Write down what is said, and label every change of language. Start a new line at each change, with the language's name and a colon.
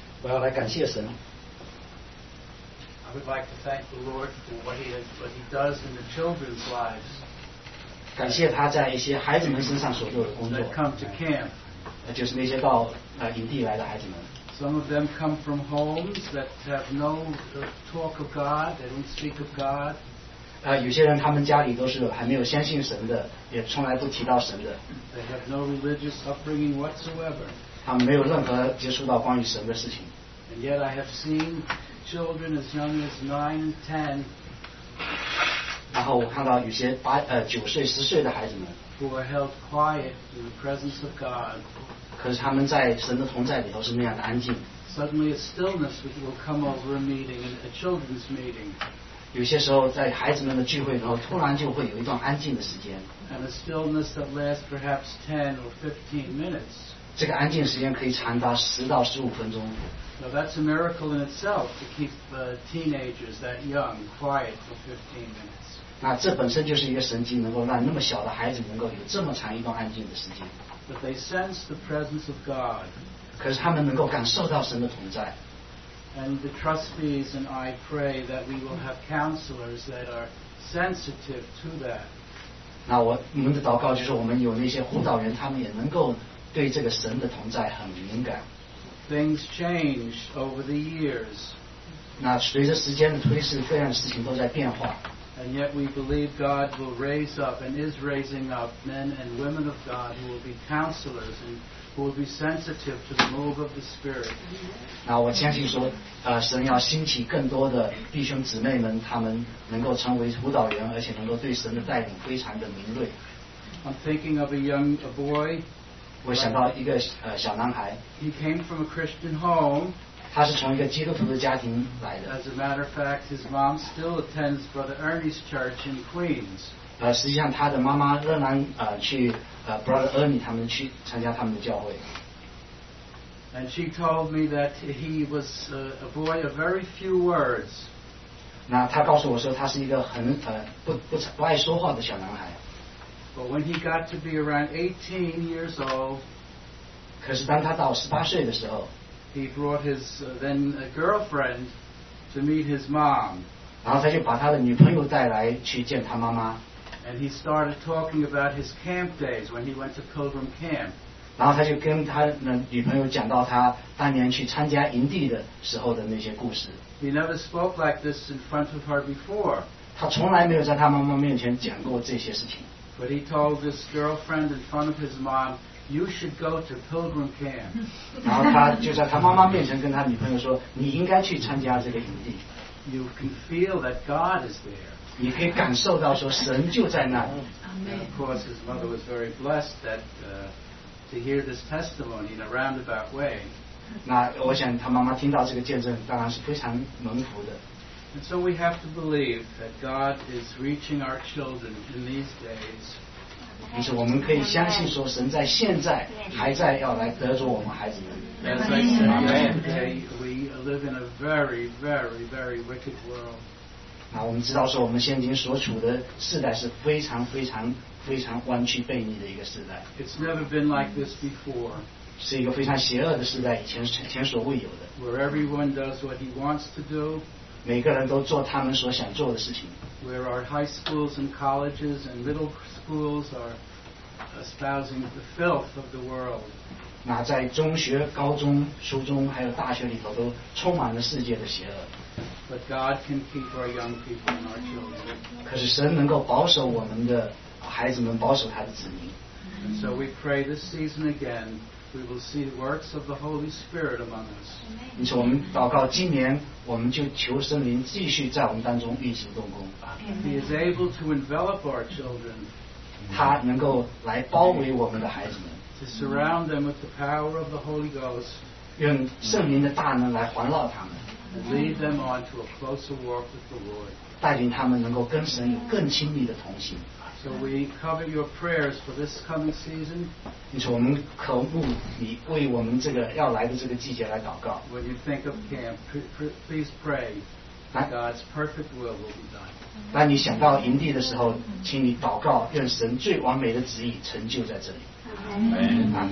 English: I would like to thank the Lord for what He does in the children's lives.
Chinese: 感谢他在一些孩子们身上所做的工作。
English: That come to camp,
Chinese: 就是那些到营地来的孩子们。
English: Some of them come from homes that have no talk of God, they don't speak of God.
Chinese: 有些人他们家里都是还没有相信神的，也从来不提到神的。
English: They have no religious upbringing whatsoever.
Chinese: 他们没有任何接触到关于神的事情。
English: And yet I have seen children as young as 9 and 10
Chinese: 然后我看到有些九岁十岁的孩子们
English: who are held quiet in the presence of God
Chinese: 可是他们在神的同在里头是那样的安静
English: suddenly a stillness will come over a meeting a children's meeting
Chinese: 有些时候在孩子们的聚会里头突然就会有一段安静的时间
English: and a stillness that lasts perhaps 10 or 15 minutes
Chinese: 这个安静时间可以长达10到15分钟
English: Now that's a miracle in itself to keep the teenagers that young quiet for 15 minutes.
Chinese: 那这本身就是一个神迹，能够让那么小的孩子能够有这么长一段安静的时间。
English: But they sense the presence of God.
Chinese: 可是他们能够感受到神的同在。
English: And the trustees and I pray that we will have counselors that are sensitive to that.
Chinese: 那我们的祷告就是我们有那些护道人，他们也能够对这个神的同在很敏感。
English: Things change over the years.
Chinese: 那随着时间的推移，各样的事情都在变化。
English: And yet we believe God will raise up and is raising up men and women of God who will be counselors and who will be sensitive to the move of the Spirit.
Chinese: 那我相信说，神要兴起更多的弟兄姊妹们，他们能够成为辅导员，而且能够对神的带领非常的敏锐。
English: I'm thinking of a boy.
Chinese: 我想到一个小男孩
English: He came from a Christian home
Chinese: 他是从一个基督徒的家庭来的
English: As a matter of fact, his mom still attends Brother Ernie's church in Queens
Chinese: 实际上他的妈妈仍然去Brother Ernie 他们去参加他们的教会
English: And she told me that he was a boy of very few words
Chinese: 那他告诉我说他是一个很不爱说话的小男孩
English: But when he got to be around 18 years old,
Chinese: 可是当他到十八岁的时候
English: he brought his then girlfriend to meet his mom.
Chinese: 然后他就把他的女朋友带来去见他妈妈
English: And he started talking about his camp days when he went to Pilgrim Camp.
Chinese: 然后他就跟他的女朋友讲到他当年去参加营地的时候的那些故事
English: He never spoke like this in front of her before.
Chinese: 他从来没有在他妈妈面前讲过这些事情
English: But he told this girlfriend in front of his mom, "You should go to Pilgrim Camp."
Chinese: 然后他就在他妈妈面前跟他女朋友说，你应该去参加这个营地。
English: You can feel that God is there.
Chinese: 你可以感受到说神就在那。
English: And of course, his mother was very blessed that to hear this testimony in a roundabout way.
Chinese: 那我想他妈妈听到这个见证，当然是非常蒙福的。
English: And so we have to believe that God is reaching our children in these days.
Chinese: 就是我们可以相信说神在现在还在要来得着我们孩子们。
English: That's right. Today we live in a very, very, very wicked world.
Chinese: 那我们知道说我们现今所处的世代是非常非常非常弯曲悖逆的一个世代。
English: It's never been like this before.
Chinese: 是一个非常邪恶的世代，以前前所未有的。
English: Where everyone does what he wants to do.
Chinese: 每个人都做他们所想做的事情。
English: Where our high schools and colleges and middle schools are espousing the filth of the world.
Chinese: 那在中学、高中、初中还有大学里头都充满了世界的邪恶。
English: But God can keep our young people and our children.
Chinese: 可是神能够保守我们的孩子们，保守他的子民。
English: So we pray this season again, we will see the works of the Holy Spirit among us.
Chinese: 因此我们祷告，今年我们就求圣灵继续在我们当中运行动工。
English: He is able to envelop our children.
Chinese: 他能够来包围我们的孩子们。
English: To surround them with the power of the Holy Ghost,
Chinese: 用圣灵的大能来环绕他们
English: and lead them on to a closer walk with the Lord,
Chinese: 带领他们能够跟神有更亲密的同行
English: So we cover your prayers for this coming season.
Chinese: 因此我们渴慕你为我们这个要来的这个季节来祷告
English: When you think of camp, please pray that God's perfect will be done.
Chinese: 当你想到营地的时候，请你祷告，愿神最完美的旨意成就在这里。